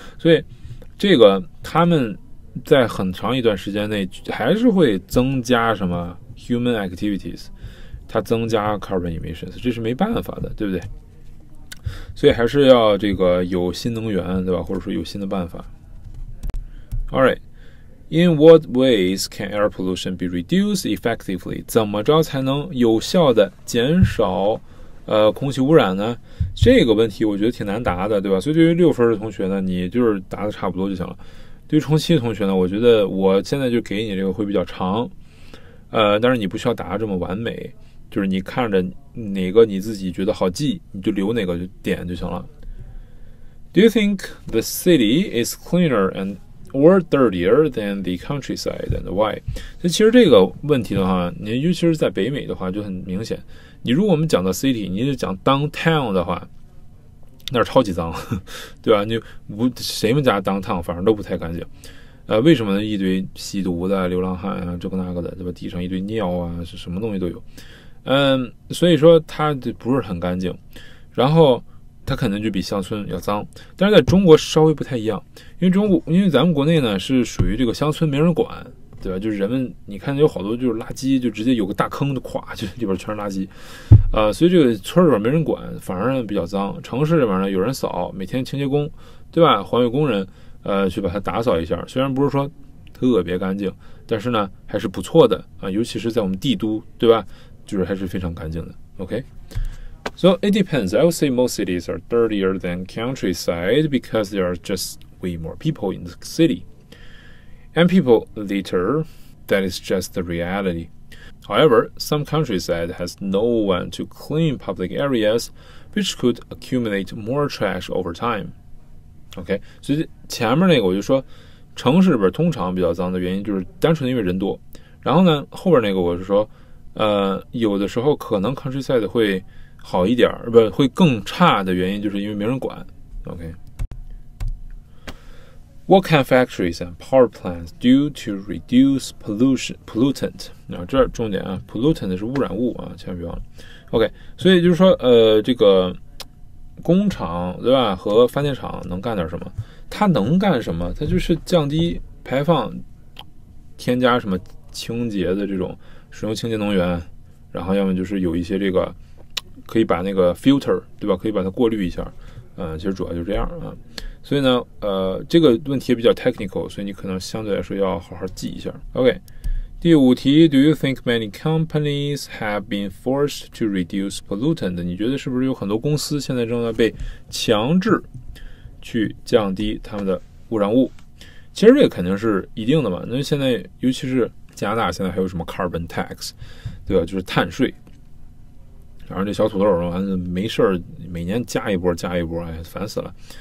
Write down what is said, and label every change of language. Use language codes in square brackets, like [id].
[zh] 所以这个他们在很长一段时间内还是会增加什么 human activities， 它增加 carbon emissions， 这是没办法的，对不对？所以还是要这个有新能源，对吧，或者说有新的办法。 [en] Alright, in what ways can air pollution be reduced effectively? [zh] 怎么着才能有效的减少空气污染呢？这个问题我觉得挺难答的，对吧？所以对于六分的同学呢，你就是答的差不多就行了。对于冲七的同学呢，我觉得我现在就给你这个会比较长，但是你不需要答这么完美，就是你看着哪个你自己觉得好记，你就留哪个点就行了。 [en] Do you think the city is cleaner and or dirtier than the countryside and why? [zh] 其实这个问题的话，你尤其是在北美的话就很明显。你如果我们讲到 city， 你就讲 downtown 的话，那是超级脏，对吧？你无谁们家 downtown 反正都不太干净。为什么呢？一堆吸毒的流浪汉啊，这个那个的，对吧？地上一堆尿啊，是什么东西都有。所以说它不是很干净，然后它肯定就比乡村要脏。但是在中国稍微不太一样，因为中国，因为咱们国内呢是属于这个乡村没人管，对吧？就是人们，你看有好多就是垃圾，就直接有个大坑就垮，就里边全是垃圾。所以这个村里边没人管，反而比较脏。城市里边呢有人扫，每天清洁工，对吧？环卫工人，去把它打扫一下。虽然不是说特别干净，但是呢还是不错的啊，尤其是在我们帝都，对吧？就是还是非常干净的。 [en] OK, so it depends. I would say most cities are dirtier than countryside because there are just way more people in the city. And people litter. That is just the reality. However, some countryside has no one to clean public areas, which could accumulate more trash over time. [zh] OK, 所以前面那个我就说城市里边通常比较脏的原因就是单纯因为人多。然后呢后边那个我是说有的时候可能 countryside 会好一点不会更差的原因就是因为没人管。OK。 [en] What can factories and power plants do to reduce pollutant? [zh] 啊这是重点啊 ,pollutant 是污染物啊千万别忘了。OK, 所以就是说这个工厂对吧和发电厂能干点什么它能干什么它就是降低排放添加什么清洁的这种使用清洁能源然后要么就是有一些这个可以把那个 filter, 对吧可以把它过滤一下其实主要就是这样啊。所以呢这个问题也比较 technical, 所以你可能相对来说要好好记一下。 [en] OK, 第五题 ,Do you think many companies have been forced to reduce pollutant? [zh] 你觉得是不是有很多公司现在正在被强制去降低他们的污染物其实这个肯定是一定的嘛那现在尤其是加拿大现在还有什么 carbon tax, 对吧就是碳税。然后这小土豆完了没事儿每年加一波加一波哎烦死了。